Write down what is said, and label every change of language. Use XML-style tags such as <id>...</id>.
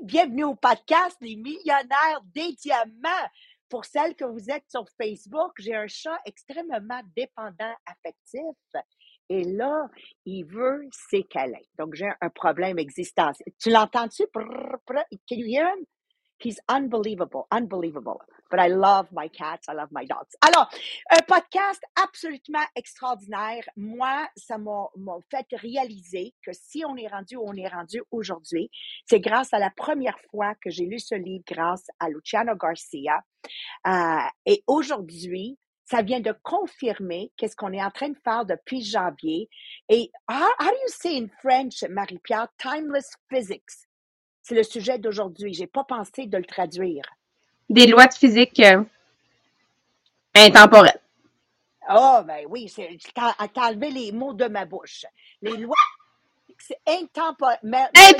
<fr>Bienvenue au podcast Les Millionnaires des Diamants. Pour celles que vous êtes sur Facebook, j'ai un chat extrêmement dépendant affectif. Et là, il veut ses câlins. Donc, j'ai un problème existentiel. Tu l'entends-tu?</fr> <en>Can you hear him? He's unbelievable, unbelievable. But I love my cats, I love my dogs.</en> <fr>Alors, un podcast absolument extraordinaire. Moi, ça m'a fait réaliser que si on est rendu où on est rendu aujourd'hui, c'est grâce à la première fois que j'ai lu ce livre, grâce à Luciano Garcia. Et aujourd'hui, ça vient de confirmer qu'est-ce qu'on est en train de faire depuis janvier. Et</fr> <en>how do you say in French, Marie-Pierre, timeless physics?</en> <fr>C'est le sujet d'aujourd'hui. J'ai pas pensé de le traduire. Des lois de physique intemporelles. Oh, ben oui, t'as enlevé les mots de ma bouche. Les lois de physique intemporelles.</fr>